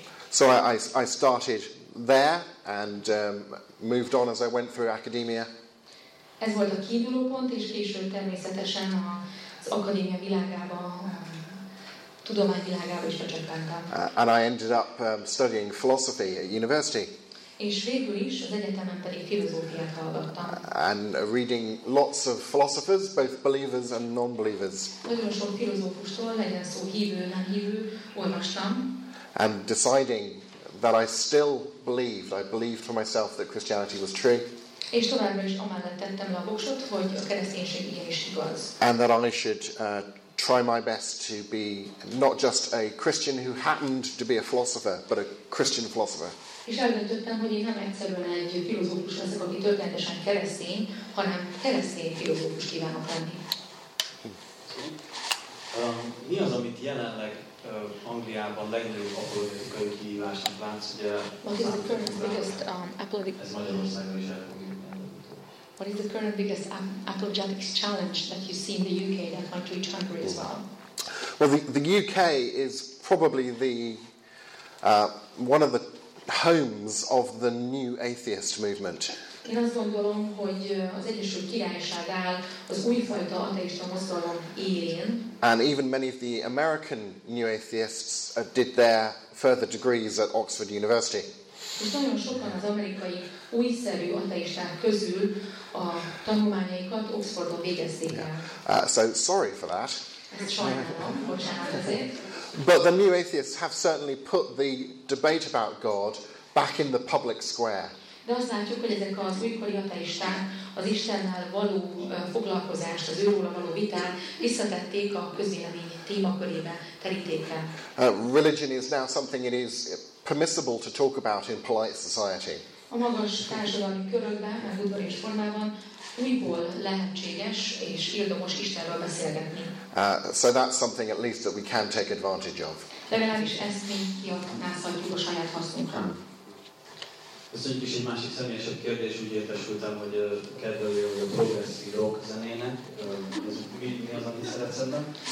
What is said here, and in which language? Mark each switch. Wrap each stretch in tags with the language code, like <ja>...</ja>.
<en>So I started there and moved on as I went through academia.</en> <hu>Ez volt a kiinduló pont, és később természetesen az akadémia világába, tudomány világába is becsöppentem.</hu> <en>And I ended up studying philosophy at university.</en> <hu>És végül is az egyetemen pedig filozófiát hallgattam.</hu> <en>And reading lots of philosophers, both believers and non-believers.</en> <hu>Nagyon sok filozófustól, legyen szó hívő, nem hívő, olvastam.</hu> <en>And deciding that I still believed, I believed for myself that Christianity was true.</en> <hu>És továbbra is amellett tettem le a voksot, hogy a kereszténység igenis igaz.</hu> <en>And that I should try my best to be not just a Christian who happened to be a philosopher, but a Christian philosopher.</en> <hu>És eldöntöttem, hogy én nem egyszerűen egy filozófus leszek, aki történetesen keresztény, hanem keresztény filozófus kívánok lenni. Mi az, amit jelenleg Angliában legnagyobb apologetikai kihívásnak látsz?</hu> <en>What is the current biggest apologetic...</en> <hu>Ez Magyarországon is elfogja.</hu> <en>What is the current biggest apologetics challenge that you see in the UK that might reach Hungary as well? Well, the UK is probably the one of the homes of the new atheist movement.</en> <hu>Én azt gondolom, hogy az Egyesült Királyság áll az újfajta ateista mozgalom élén.</hu> <en>And even many of the American new atheists did their further degrees at Oxford University.</en> <hu>És nagyon sokan az amerikai újszerű ateisták közül a tanulmányaikat Oxfordon végezték el.</hu> <en>So sorry for that.</en> <hu>Ezt sajnálom, bocsánat ezért.</hu> <en>But the new atheists have certainly put the debate about God back in the public square.</en> <hu>De azt látjuk, hogy ezek az újkori ateisták az Istennel való foglalkozást, az őróla való vitát visszatették a közélemény témakörébe, terítékre.</hu> <en>Religion is now something it is permissible to talk about in polite society.</en> <hu>A magas társadalmi körökben, az udvari formában újból lehetséges és érdemes Istenről beszélgetni.</hu> <en>So that's something at least that we can take advantage of.</en> <hu>Legalábbis ezt mi kihasználhatjuk a saját hasznunkra. Köszönjük, és egy másik személyesebb kérdés, úgy értesültem, hogy kedvelője vagy a progresszív rock zenének. Mi az, amit szeretsz ebben?</hu>